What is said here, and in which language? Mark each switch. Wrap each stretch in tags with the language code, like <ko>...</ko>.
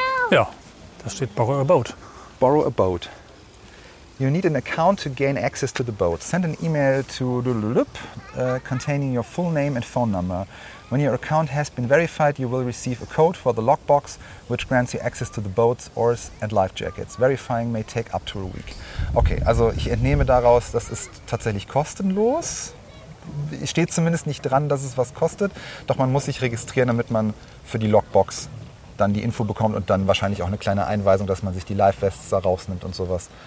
<de>Ja, da steht Borrow a Boat.</de> <en>Borrow a Boat. You need an account to gain access to the boat. Send an email to containing your full name and phone number. When your account has been verified, you will receive a code for the lockbox, which grants you access to the boats, oars and life jackets. Verifying may take up to a week.</en> <de>Okay, also ich entnehme daraus, das ist tatsächlich kostenlos. Steht zumindest nicht dran, dass es was kostet. Doch man muss sich registrieren, damit man für die Lockbox dann die Info bekommt und dann wahrscheinlich auch eine kleine Einweisung, dass man sich die Live-Vests da rausnimmt und sowas.</de>